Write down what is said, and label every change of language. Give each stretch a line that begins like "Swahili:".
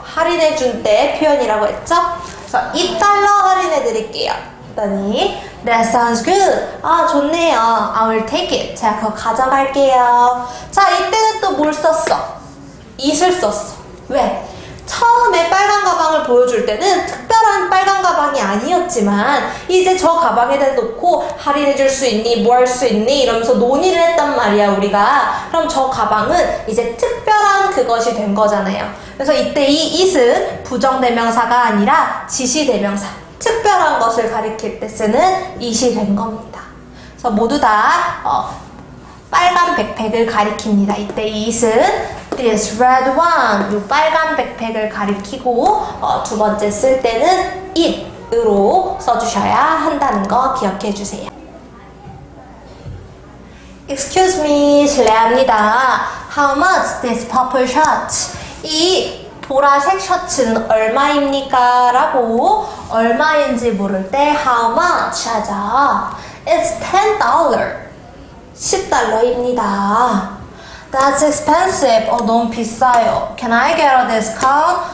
Korean: 할인해준 때 표현이라고 했죠? 그래서 $2 할인해드릴게요. 했더니,
English: That sounds good.
Korean: 아, 좋네요.
English: I will take it.
Korean: 제가 그거 가져갈게요. 자, 이때는 또 뭘 썼어? It을 썼어. 왜? 처음에 빨간 가방을 보여줄 때는 특별한 빨간 가방이 아니었지만 이제 저 가방에 대놓고 할인해줄 수 있니? 뭐 할 수 있니? 이러면서 논의를 했단 말이야 우리가 그럼 저 가방은 이제 특별한 그것이 된 거잖아요 그래서 이때 이 it은 부정대명사가 아니라 지시대명사 특별한 것을 가리킬 때 쓰는 it이 된 겁니다 그래서 모두 다 빨간 백팩을 가리킵니다 이때 이 it은
English: This red one,
Korean: 이 빨간 백팩을 가리키고 두 번째 쓸 때는 it으로 써주셔야 한다는 거 기억해 주세요.
English: Excuse me,
Korean: 실례합니다.
English: How much this purple shirt?
Korean: 이 보라색 셔츠는 얼마입니까? 라고 얼마인지 물을 때 how much 하죠.
English: It's $10.
Korean: 10달러입니다.
English: That's expensive.
Korean: 너무 비싸요.
English: Can I get a discount?